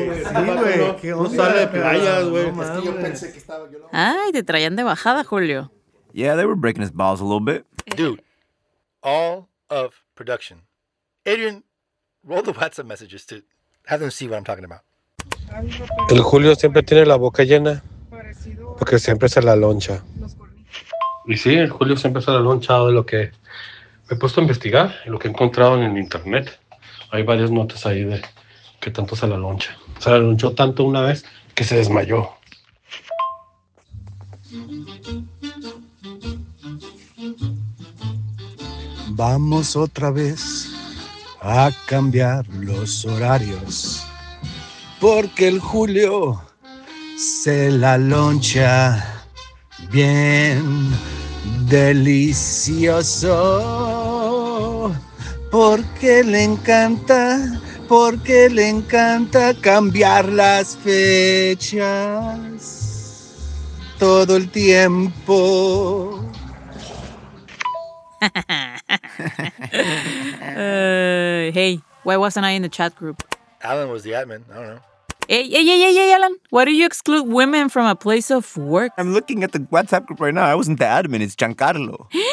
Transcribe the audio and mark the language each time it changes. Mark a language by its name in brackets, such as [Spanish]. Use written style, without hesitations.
[Spanish] güey. Sí, güey. Que no sale de playas, güey. Es que yo pensé que estaba... Ay, te traían de bajada, Julio. [English] Yeah, they were breaking his balls a little bit. Dude, all of production. Adrian, roll the WhatsApp messages to have them see what I'm talking about. [Spanish] El Julio siempre tiene la boca llena porque siempre se la loncha. Y sí, el Julio siempre se la loncha de lo que... Me he puesto a investigar lo que he encontrado en el internet. Hay varias notas ahí de que tanto se la loncha. Se la lonchó tanto una vez que se desmayó. Vamos otra vez a cambiar los horarios porque el Julio se la loncha bien delicioso. Porque le encanta cambiar las fechas todo el tiempo. [English] Hey, why wasn't I in the chat group? Alan was the admin, I don't know. Hey, Alan, why do you exclude women from a place of work? I'm looking at the WhatsApp group right now, I wasn't the admin, it's Giancarlo.